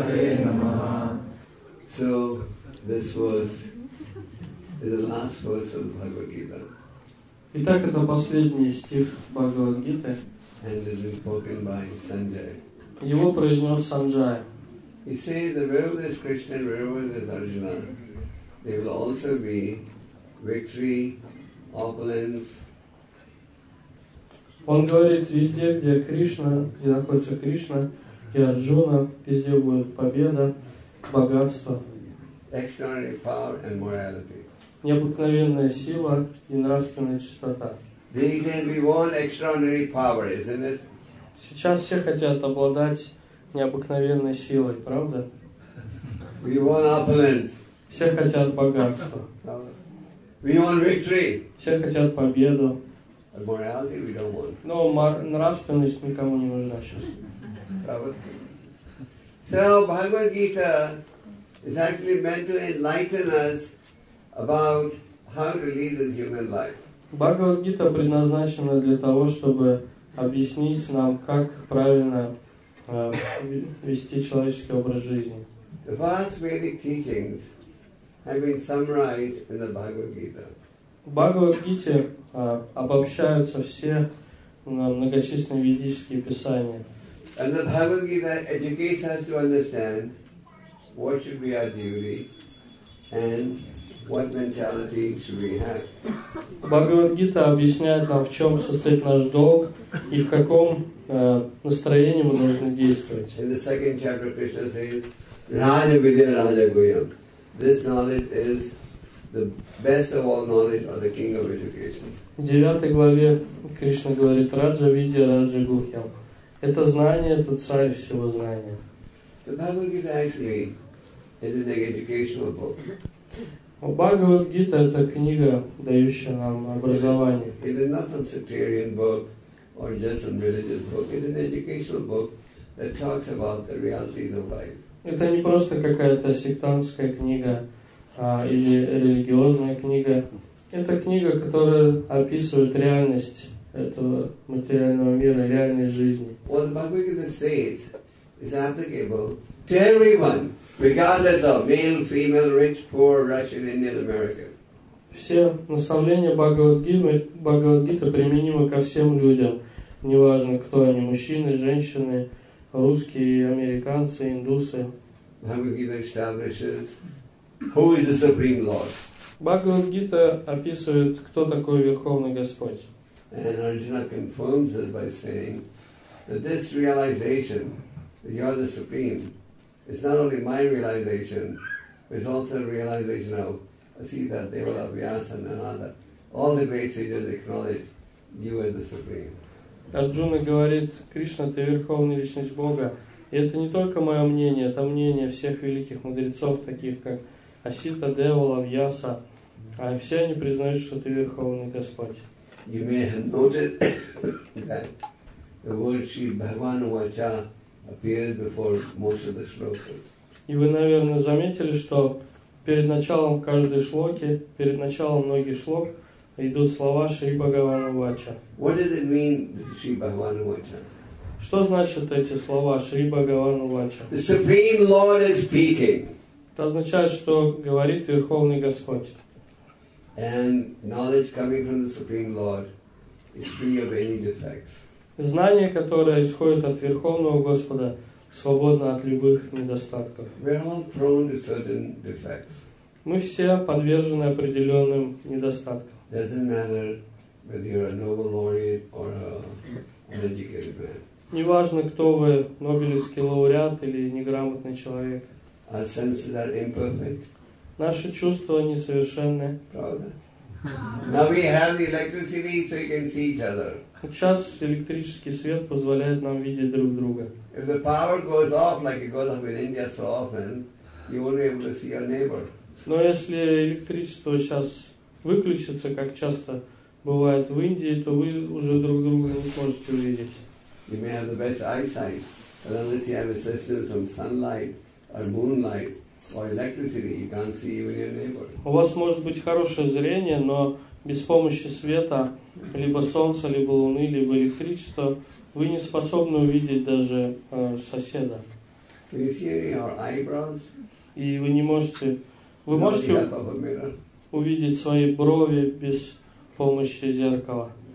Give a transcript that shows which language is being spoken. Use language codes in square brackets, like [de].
[en] So this was the last verse of Bhagavad Gita. [ru] Итак, это последний стих Бхагавад Гиты. [en] And it is spoken by Sanjay. [ru] Его произнес Санджай. [en] He says that wherever there is Krishna, wherever there is Arjuna, there will also be victory, opulence. [ru] Он говорит, везде, где Кришна, где находится Кришна и Арджуна, везде будет победа, богатство, [en] extraordinary power and morality. [ru] Необыкновенная сила и нравственная чистота. [en] We want extraordinary power, isn't it? [ru] Сейчас все хотят обладать необыкновенной силой, правда? [en] We want opulence. [ru] Все хотят богатства. [en] We want victory. [ru] Все хотят победу. [en] Morality we don't want. [ru] Но нравственность никому не нужна сейчас. [en] So Bhagavad Gita is actually meant to enlighten us about how to lead this human life. [ru] Бхагавад Гита предназначена для того, чтобы объяснить нам, как правильно вести человеческий образ жизни. [en] The vast Vedic teachings have been summarized in the Bhagavad Gita. [ru] В Бхагавад-гите обобщаются все многочисленные ведические писания. [en] And the Bhagavad Gita educates us to understand what should be our duty and what mentality should we have. [ru] Бхагавад-гита объясняет нам, в чем состоит наш долг и в каком настроении мы должны действовать. [en] In the second chapter, Krishna says, Raja Vidya Raja Guyam. This knowledge is the best of all knowledge, or the king of education. [ru] В 9 главе Кришна говорит: Раджа Видья Раджа Гухьям. Это знание, это царь всего знания. [en] So Bhagavad Gita actually is an educational book. [ru] Бхагавад Гита — это книга, дающая нам образование. [en] It is not some sectarian book or just some religious book. It is an educational book that talks about the realities of life. [ru] Это не просто какая-то сектантская книга или религиозная книга. Это книга, которая описывает реальность этого материального мира, реальной жизни. [en] What the Bhagavad Gita states is applicable to everyone, regardless of male, female, rich, poor, Russian, Indian, American. [ru] Все наставления Бхагавад Гиты применимы ко всем людям, неважно, кто они, мужчины, женщины, русские, американцы, индусы. [en] Bhagavad Gita establishes who is the Supreme Lord. [ru] Bhagavad Gita описывает, кто такой Верховный Господь. [en] And Arjuna confirms this by saying that this realization that you are the Supreme is not only my realization, but it's also a realization of Sita, Devala, Vyasa, Narada. All the great sages acknowledge you as the Supreme. [ru] Арджуна говорит: Кришна, ты верховная личность Бога. И это не только мое мнение, это мнение всех великих мудрецов, таких как Асита, Девала, Вьяса. А все они признают, что ты верховный Господь. [en] You may have noted that the word Shri Bhagavan Vacha appears before most of the shlokas. [ru] И вы, наверное, заметили, что перед началом каждой шлоки, перед началом многих шлок, идут слова Шри Бхагаван Увача. [en] What does it mean, Шри Бхагаван Увача? [ru] Что значат эти слова Шри Бхагаван Увача? [en] The Supreme Lord is speaking. [ru] Это означает, что говорит Верховный Господь. [en] And knowledge coming from the Supreme Lord is free of any defects. [ru] Знание, которое исходит от Верховного Господа, свободно от любых недостатков. [en] We're all prone to certain defects. [ru] Мы все подвержены определенным недостаткам. [en] Doesn't matter whether you're a Nobel laureate or an educated man. [ru] Неважно, кто вы, Нобелевский лауреат или неграмотный человек. [en] Our senses are imperfect. [ru] Наши чувства несовершенны. Правда? [en] Now we have the electricity, so you can see each other. [ru] Сейчас электрический свет позволяет нам видеть друг друга. [en] If the power goes off, like it goes off in India so often, you won't be able to see your neighbor. [ru] Но если электричество сейчас выключится, как часто бывает в Индии, то вы уже друг друга не сможете увидеть. [en] You may have the best eyesight, but unless you have assistance from sunlight or moonlight or electricity, you can't see even your neighbor. [ru] У вас может быть хорошее зрение, но без помощи света, либо солнца, либо луны, либо электричества, вы не способны увидеть даже соседа. [en] Can you see any of our eyebrows? [ru] И вы не можете... Вы можете увидеть свои брови без помощи зеркала.